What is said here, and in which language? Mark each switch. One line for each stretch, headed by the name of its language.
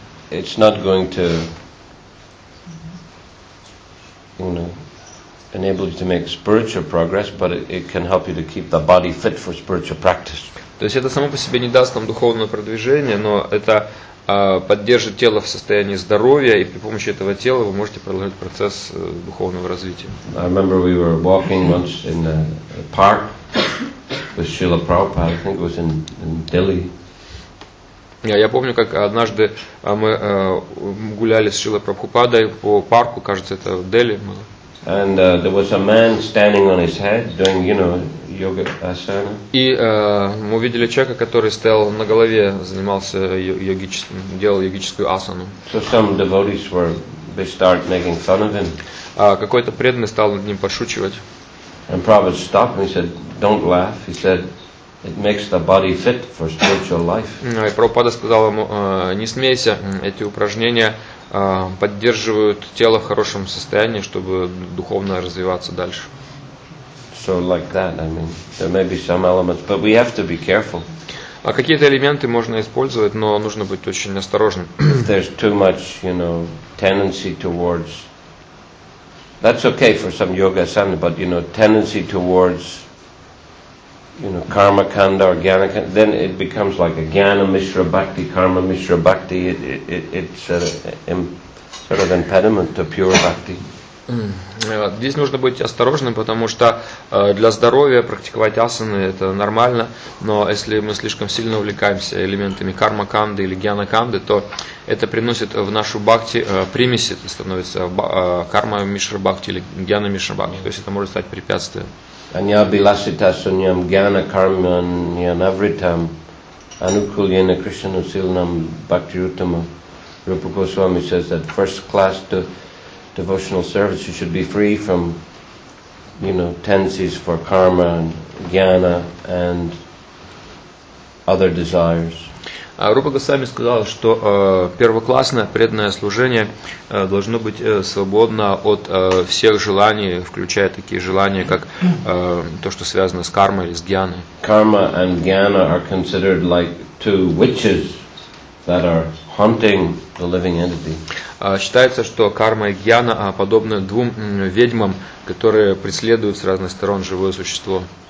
English: It's not going to, you know, enable you to make spiritual progress, but it can help you to keep the body fit for spiritual practice.
Russian: То есть это само по себе не даст нам духовного продвижения, но это поддержит тело в состоянии здоровья, и при помощи этого тела вы можете продолжать процесс духовного развития.
English: I remember we were walking once in a park with Srila Prabhupada, I think it was in Delhi.
Russian: Я помню, как однажды мы гуляли с Шрилой Прабхупадой по парку, кажется, это в Дели было.
English: And there was a man standing on his head doing, you know, yoga asana.
Russian: И мы увидели человека, который стоял на голове, занимался йогическим, делал йогическую асану.
English: So some devotees were, they start making fun of him.
Russian: Какой-то преданный стал над ним пошучивать.
English: And Prabhupada stopped and he said, "Don't laugh." He said, "It makes the body fit for spiritual life."
Russian: И Прабхупада сказал ему: "Не смейся, эти упражнения поддерживают тело в хорошем состоянии, чтобы духовно развиваться дальше."
English: So like that, I mean, there may be some elements, but we have to be careful.
Russian: А какие-то элементы можно использовать, но нужно быть очень осторожным.
English: There's too much, you know, tendency towards. That's okay for some yoga asana, but you know, tendency towards, you know, karma kanda or jnana kanda, then it becomes like a jnana mishra bhakti, karma mishra bhakti. It's sort of impediment to pure bhakti.
Russian: Здесь нужно быть осторожным, потому что для здоровья практиковать асаны это нормально, но если мы слишком сильно увлекаемся элементами карма канды или гьяна канды, то это приносит в нашу бхакти примеси, это становится карма мишра бхакти или гьяна мишра бхакти, то есть это может стать препятствием.
Sanskrit: Anya bilasita sunyam gyana karmyan avritam anukulyena krishna silnam bhakti uttama.
English: Rupa Goswami says that first class to devotional service, you should be free from, you know, tendencies for karma and jnana and other desires.
Russian: Рупа Госвами сказал, что первоклассное преданное служение должно быть свободно от всех желаний, включая такие желания, как то, что связано с кармой или с джьяной.
English: Karma and jnana are considered like two witches that are hunting the living entity.
Russian: Считается, что карма и джьяна подобны двум ведьмам, которые преследуют с разных сторон живое существо.